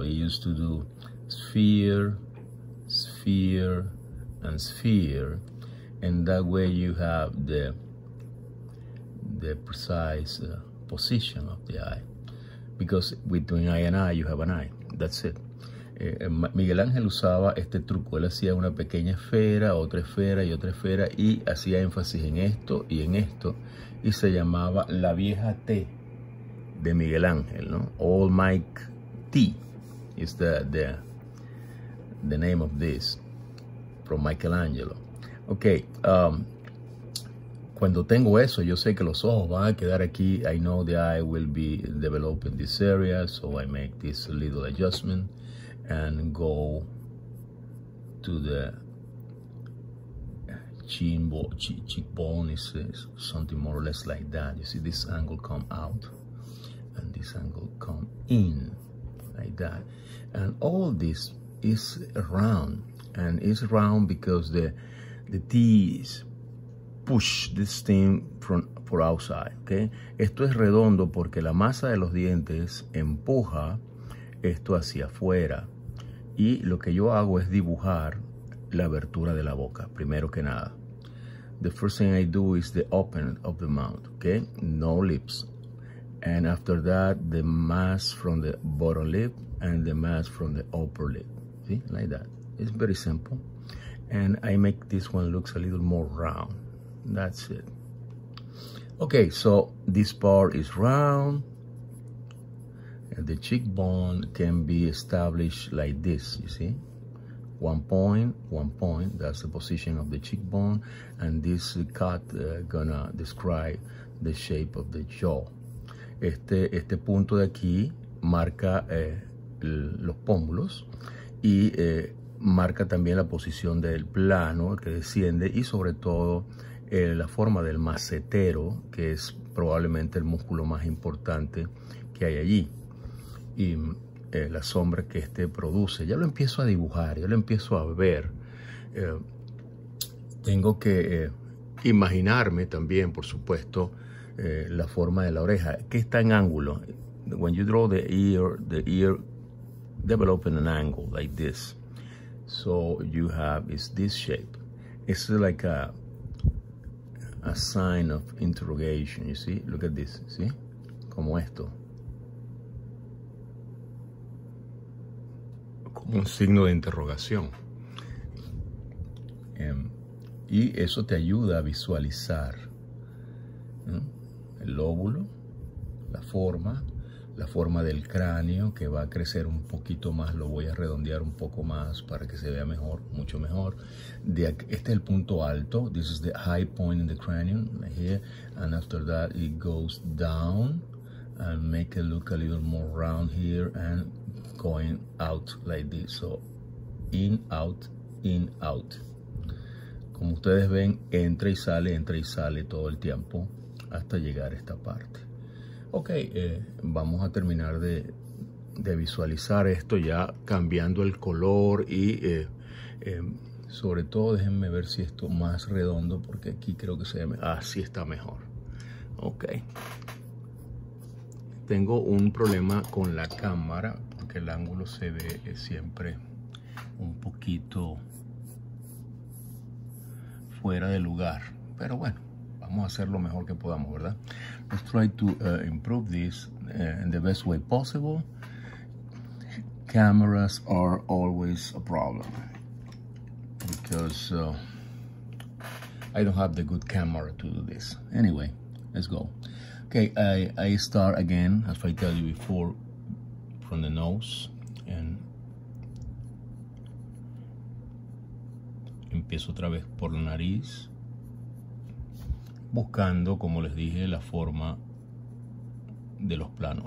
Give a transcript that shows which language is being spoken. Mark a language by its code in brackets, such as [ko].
[en] He used to do sphere, sphere, and sphere, and that way you have the precise position of the eye. Because between eye and eye, you have an eye. That's it. [es] Miguel Ángel usaba este truco. Él hacía una pequeña esfera, otra esfera y otra esfera, y hacía énfasis en esto y en esto, y se llamaba la vieja T de Miguel Ángel, ¿no? [en] Old Mike T is the name of this from Michelangelo. [es] Okay, cuando tengo eso, yo sé que los ojos van a quedar aquí. [en] I know the eye will be developed in this area, so I make this little adjustment and go to the cheekbone. Is something more or less like that. You see this angle come out and this angle come in, like that. And all this is round, and it's round because the teeth push this thing for outside, okay? [es] Esto es redondo porque la masa de los dientes empuja esto hacia afuera. Y lo que yo hago es dibujar la abertura de la boca, primero que nada. [en] The first thing I do is the open of the mouth, okay? No lips. And after that, the mass from the bottom lip and the mass from the upper lip. See, like that. It's very simple. And I make this one looks a little more round. That's it. Okay, so this part is round. And the cheekbone can be established like this, you see? One point, that's the position of the cheekbone. And this cut gonna describe the shape of the jaw. [es] Este punto de aquí marca los pómulos y marca también la posición del plano que desciende y sobre todo la forma del masetero, que es probablemente el músculo más importante que hay allí. Y la sombra que este produce, ya lo empiezo a dibujar, ya lo empiezo a ver. Tengo que imaginarme también, por supuesto, la forma de la oreja, que está en ángulo. [en] When you draw the ear developing an angle like this, so you have is this shape. It's like a sign of interrogation, you see? Look at this, see? [es] Como esto. Como un signo de interrogación. Y eso te ayuda a visualizar, el lóbulo, la forma del cráneo que va a crecer un poquito más. Lo voy a redondear un poco más para que se vea mejor, mucho mejor. Este es el punto alto. [en] This is the high point in the cranium. Here, and after that it goes down. And make it look a little more round here and going out like this. So in, out, in, out. [es] Como ustedes ven, entra y sale todo el tiempo hasta llegar a esta parte. Ok, vamos a terminar de de visualizar esto ya cambiando el color y sobre todo déjenme ver si esto más redondo, porque aquí creo que se ve así, está mejor. Ok, tengo un problema con la cámara porque el ángulo se ve siempre un poquito fuera de lugar, pero bueno, vamos a hacer lo mejor que podamos, ¿verdad? [en] Let's try to improve this in the best way possible. Cameras are always a problem because I don't have the good camera to do this. Anyway, let's go. Okay, I start again, as I tell you before, from the nose, and [es] empiezo otra vez por la nariz, buscando, como les dije, la forma de los planos.